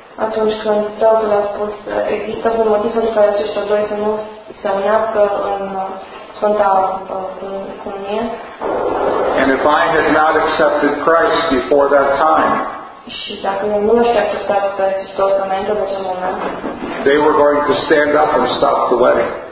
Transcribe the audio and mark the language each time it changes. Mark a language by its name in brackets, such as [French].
[Romanian] Atunci când tatăl a spus, există vreun motiv pentru care aceștia doi să nu se unească în Sfânta Comunie? [English] And if I had not accepted Christ before that time, [Romanian] și dacă eu nu aș fi acceptat pe Hristos înainte de acel moment, [English] they were going to stand up and stop the wedding.